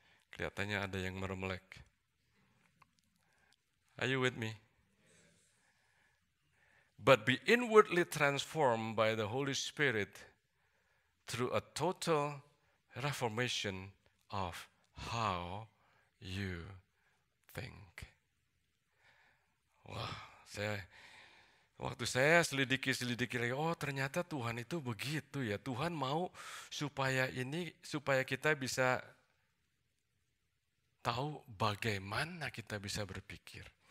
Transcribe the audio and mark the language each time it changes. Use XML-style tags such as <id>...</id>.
<id>Kelihatannya ada yang meremelek.</id> <en>Are you with me? But be inwardly transformed by the Holy Spirit through a total reformation of how you think.</en> <id>Wah, waktu saya selidiki lagi, oh ternyata Tuhan itu begitu ya. Tuhan mau supaya kita bisa tahu bagaimana kita bisa berpikir.</id>